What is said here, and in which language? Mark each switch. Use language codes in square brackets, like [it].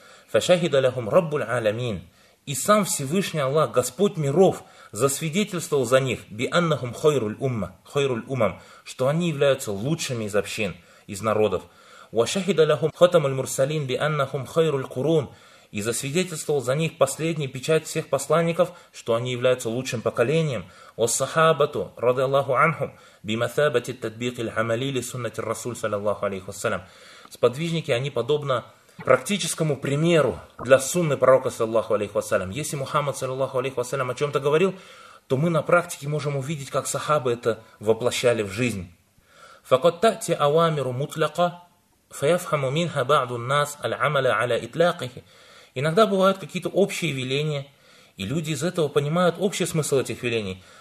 [ar] Фашахида лахум раббуль алямин, [ru] и сам Всевышний Аллах, Господь миров, засвидетельствовал за них, [ar] би аннахум хайруль умма, хайруль умам, [ru] что они являются лучшими из общин, из народов. [ar] وَشَهِدَ لَهُمْ خَتَمُ الْمُرْسَلِينَ بِأَنَّهُمْ خَيْرُ الْقُرُونَ, [ru] и засвидетельствовал за них последний печать всех посланников, что они являются лучшим поколением. [ar] وَالصَّحَابَةُ رَضِيَ اللَّهُ عَنْهُمْ بِمَثَابَةِ التَّدْبِيقِ الْحَمَلِي لِسُنَّةِ الرَّسُولِ صَلَى اللَّهُ عَلَيْهُ وَسَلَّمَ, [ru] сподвижники, они подобно практическому примеру для сунны пророка саллаллаху алейхи вассалям. Если Мухаммад саллаллаху алейхи вассалям о чем-то говорил, то мы на практике можем увидеть, как сахабы это воплощали в жизнь. [ar] فَقَدْ تَأْتِي أَوَامِرُ مُطْلَقَ فَيَفْحَمُ مِنْهَ بَعْضُ النَّاسِ الْعَمَلَ عَلَى إِطْلَاقِهِ. [ru] Иногда бывают какие-то общие веления, и люди из этого понимают общий смысл этих велений.